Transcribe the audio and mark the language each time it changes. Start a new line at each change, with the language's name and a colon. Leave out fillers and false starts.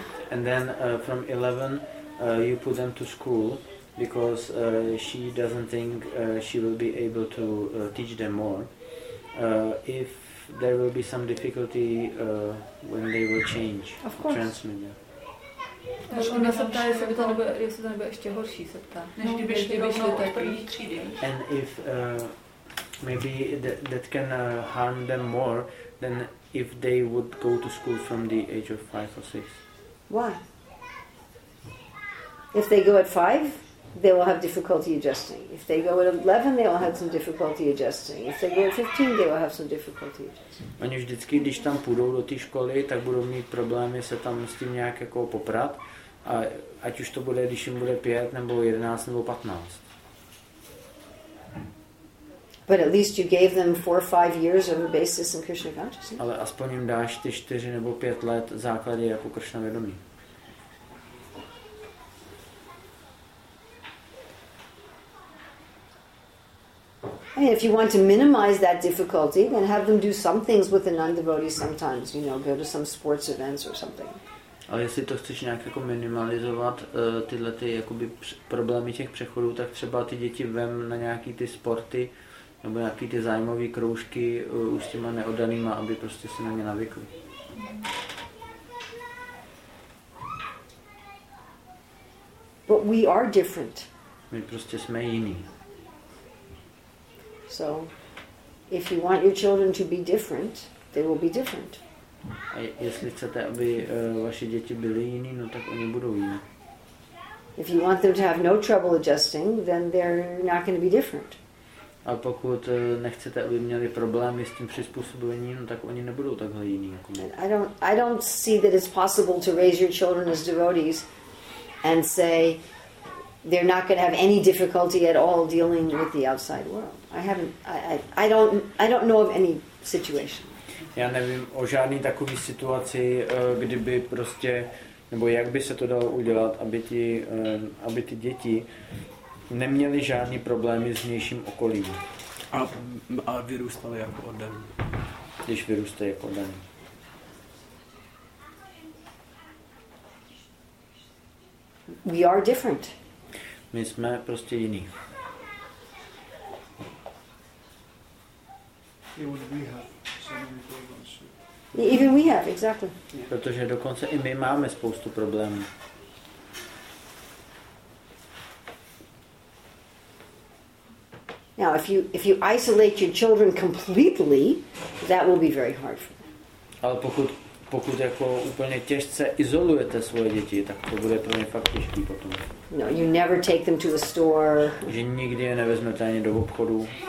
English: And then from 11 you put them to school because she doesn't think she will be able to teach them more. If there will be some difficulty when they will change. Of course. Transmit, yeah.
Czech: Ona se ptá, jestli to nebude ještě horší, se ptá. Než kdyby šli rovnou od první třídy.
English: And if maybe that can harm them more than if they would go to school from the age of 5 or 6. Why? If they go at 5, they will have difficulty adjusting. If they go at 11, they will have some difficulty adjusting. If they go at 15, they will have some difficulty adjusting.
Czech: Oni vždycky, když tam půjdou do té školy, tak budou mít problémy se tam s tím nějak jako poprat. A ať už to bude, když jim bude 5 nebo 11 nebo 15.
English: But at least you gave them 4 or 5 years of a basis in Krishna consciousness.
Czech: Ale aspoň jim dáš ty 4 nebo 5 let základy jako Krishna vědomí.
English: I mean, if you want to minimize that difficulty, then have them do some things with the non-devotee sometimes, you know, go to some sports events or something.
Czech: Ale jestli to chceš nějak jako minimalizovat tyhle ty jakoby problémy těch přechodů, tak třeba ty děti vem na nějaký ty sporty nebo nějaký ty zájmové kroužky už s těma neoddanýma, aby prostě se na ně navykli.
English: But we are different.
Czech: My prostě jsme jiný.
English: So, if you want your children to be different, they will be different.
Czech: A jestli chcete, aby vaše děti byly jiný, no tak oni budou jiné.
English: If you want them to have no trouble adjusting, then they're not going to be different.
Czech: A pokud nechcete, aby měli problémy s tím přizpůsobením, no tak oni nebudou takhle jiný.
English: I don't see that it's possible to raise your children as devotees and say they're not going to have any difficulty at all dealing with the outside world. I don't know of any situation.
Czech: Já nevím o žádný takový situaci, kdyby prostě, nebo jak by se to dalo udělat, aby ty děti neměly žádný problémy s vnějším okolím. A vyrůstaly jako oddaný. Když vyrůstají jako oddaný.
English: We are different.
Czech: My jsme prostě jiný.
English: Even we have, exactly.
Czech: Protože dokonce i my máme spoustu problémů.
English: Now, if you isolate your children completely, that will be very hard for them.
Czech: Ale pokud jako úplně těžce izolujete svoje děti, tak to bude pro ně fakt těžký potom.
English: No, you never take them to the store.
Czech: Že nikdy je nevezmete ani do obchodu.